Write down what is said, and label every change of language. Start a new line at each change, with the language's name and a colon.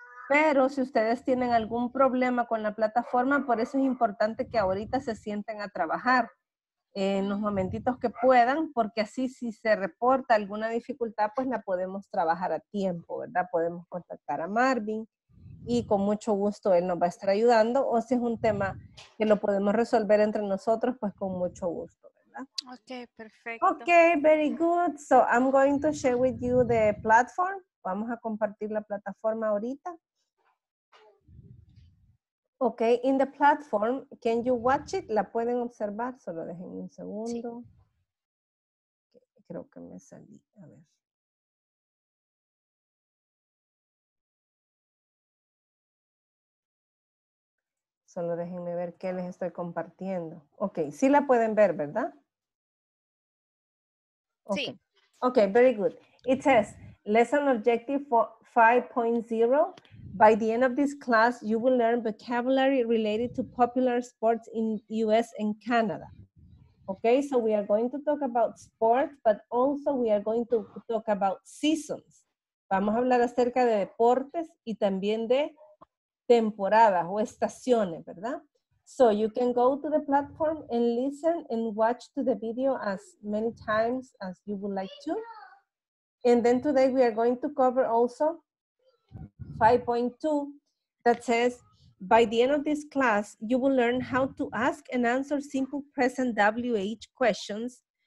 Spanish: Pero si ustedes tienen algún problema con la plataforma, por eso es importante que ahorita se sienten a trabajar en los momentitos que puedan, porque así si se reporta alguna dificultad, pues la podemos trabajar a tiempo, ¿verdad? Podemos contactar a Marvin y con mucho gusto él nos va a estar ayudando, o si es un tema que lo podemos resolver entre nosotros, pues con mucho gusto, ¿verdad?
English: Okay, perfecto. Okay, very good. So I'm going to share with you the platform.
Spanish: Vamos a compartir la plataforma ahorita.
English: Okay, in the platform, can you watch it?
Spanish: ¿La pueden observar? Solo dejen un segundo.
English: Sí.
Spanish: Creo que me salí. A ver. Solo déjenme ver qué les estoy compartiendo. Ok, sí la pueden ver, ¿verdad? Sí.
English: Ok, very good. It says, Lesson Objective 5.0. By the end of this class, you will learn vocabulary related to popular sports in US and Canada. Ok, so we are going to talk about sports, but also we are going to talk about seasons.
Spanish: Vamos a hablar acerca de deportes y también de temporadas o estaciones, ¿verdad?
English: So you can go to the platform and listen and watch to the video as many times as you would like to. And then today we are going to cover also 5.2 that says, by the end of this class, you will learn how to ask and answer simple present WH questions.